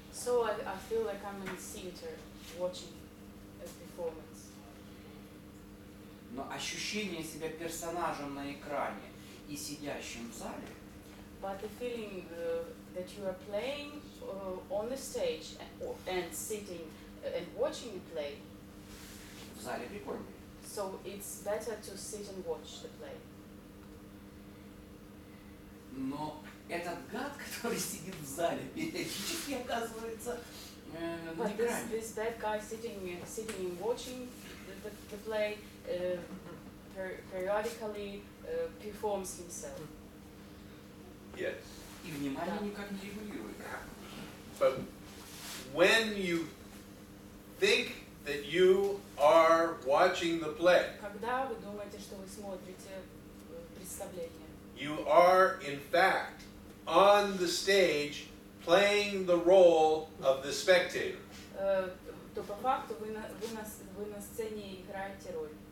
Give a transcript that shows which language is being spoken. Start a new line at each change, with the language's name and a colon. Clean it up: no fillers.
English: So I feel like I'm in the theater watching a performance.
Russian: Но ощущение себя персонажем на экране и сидящим в зале.
English: But the feeling that you are playing on the stage and sitting and watching the play.
Russian: В зале прикольнее.
English: So it's better to sit and watch the play.
Russian: Но этот гад, который сидит в зале, периодически оказывается на экране.
English: This bad guy sitting and watching the play. Periodically performs himself. Yes.
Russian: И внимание никак не регулируется.
English: But when you think that you are watching the play,
Russian: когда вы думаете, что вы смотрите представление,
English: you are in fact on the stage playing the role of the spectator.
Russian: То по факту вы на сцене играете роль.